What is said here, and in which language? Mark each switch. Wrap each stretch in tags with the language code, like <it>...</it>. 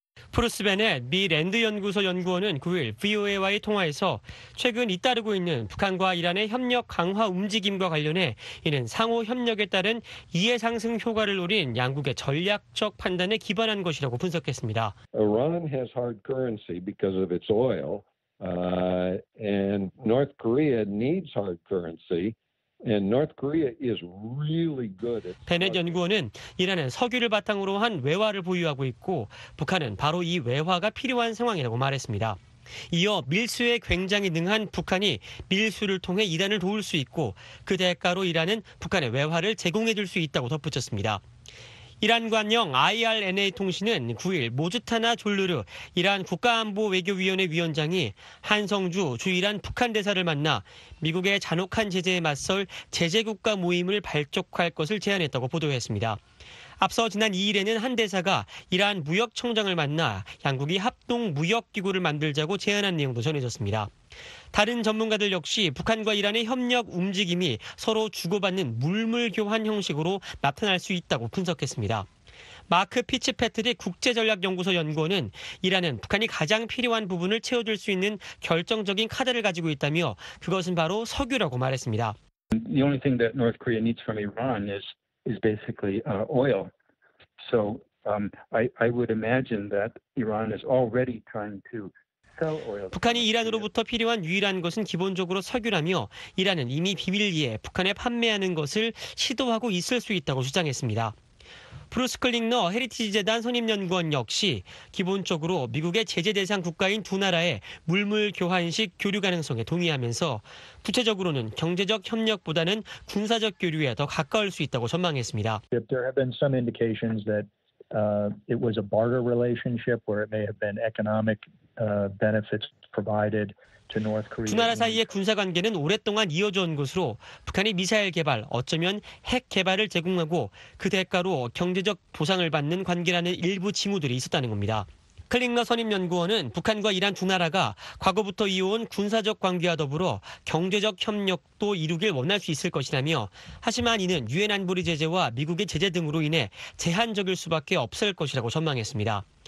<ko>프루스벤의 미 랜드연구소 연구원은 9일 VOA와의 통화에서 최근 잇따르고 있는 북한과 이란의 협력 강화 움직임과 관련해 이는 상호 협력에 따른 이해 상승 효과를 노린 양국의 전략적 판단에 기반한 것이라고 분석했습니다.</ko> <en>Iran has hard currency because of its oil, and North Korea needs hard currency. And North Korea is really good at.</en> <ko>베넷 연구원은 이란은 석유를 바탕으로 한 외화를 보유하고 있고 북한은 바로 이 외화가 필요한 상황이라고 말했습니다. 이어 밀수에 굉장히 능한 북한이 밀수를 통해 이란을 도울 수 있고 그 대가로 이란은 북한의 외화를 제공해 줄 수 있다고 덧붙였습니다. 이란 관영 IRNA통신은 9일 모주타나 졸루르 이란 국가안보외교위원회 위원장이 한성주 주이란 북한 대사를 만나 미국의 잔혹한 제재에 맞설 제재국가 모임을 발족할 것을 제안했다고 보도했습니다. 앞서 지난 2일에는 한 대사가 이란 무역청장을 만나 양국이 합동무역기구를 만들자고 제안한 내용도 전해졌습니다. 다른 전문가들 역시 북한과 이란의 협력 움직임이 서로 주고받는 물물 교환 형식으로 나타날 수 있다고 분석했습니다. 마크 피츠패트릭 국제전략연구소 연구원은 이란은 북한이 가장 필요한 부분을 채워줄 수 있는 결정적인 카드를 가지고 있다며 그것은 바로 석유라고 말했습니다.</ko> <en>The only thing that North Korea needs from Iran is basically oil. So I would imagine that Iran is already trying to.</en> <ko>북한이 이란으로부터 필요한 유일한 것은 기본적으로 석유라며 이란은 이미 비밀리에 북한에 판매하는 것을 시도하고 있을 수 있다고 주장했습니다. 브루스 클링너 헤리티지 재단 선임연구원 역시 기본적으로 미국의 제재 대상 국가인 두 나라의 물물 교환식 교류 가능성에 동의하면서 구체적으로는 경제적 협력보다는 군사적 교류에 더 가까울 수 있다고 전망했습니다.</ko> <en>There have been some indications that it was a barter relationship where it may have been economic. Benefits provided to North Korea.</en> <ko>두 나라 사이의 군사 관계는 오랫동안 이어져 온 것으로 북한이 미사일 개발, 어쩌면 핵 개발을 제공하고 그 대가로 경제적 보상을 받는 관계라는 일부 징후들이 있었다는 겁니다. 클링너 선임 연구원은 북한과 이란 두 나라가 과거부터 이어온 군사적 관계와 더불어 경제적 협력도 이루길 원할 수 있을 것이라며 하지만 이는 유엔 안보리 제재와 미국의 제재 등으로 인해 제한적일 수밖에 없을 것이라고 전망했습니다.</ko>